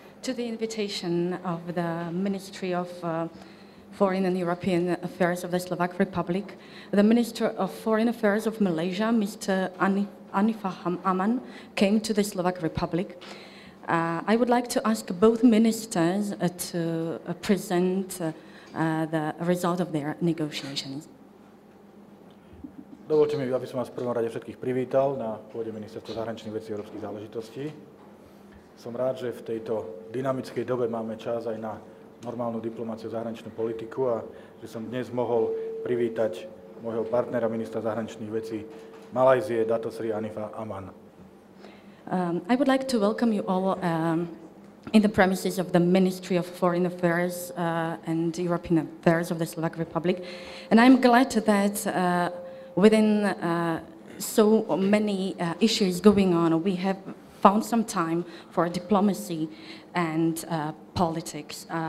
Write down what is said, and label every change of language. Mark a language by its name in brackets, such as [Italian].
[English] To the invitation of the Ministry of Foreign and European Affairs of the Slovak Republic, the Minister of Foreign Affairs of Malaysia, Mr. Anifah Aman, came to the Slovak Republic. I would like to ask both ministers to present the result of their negotiations. [Slovak] Dovolte mi, aby som vás v prvom rade všetkých privítal na pôde Ministerstva zahraničných vecí a európskych záležitostí. Som rád, že v tejto dynamickej dobe máme čas aj na normálnu diplomáciu zahraničnú politiku a že som dnes mohol privítať môjho partnera, ministra zahraničných vecí Malajzie, Dato Sri Anifah Aman. [English] I would like to welcome you all in the premises of the Ministry of Foreign Affairs and European Affairs of the Slovak Republic. And I'm glad that within so many issues going on, we have found some time for diplomacy and politics.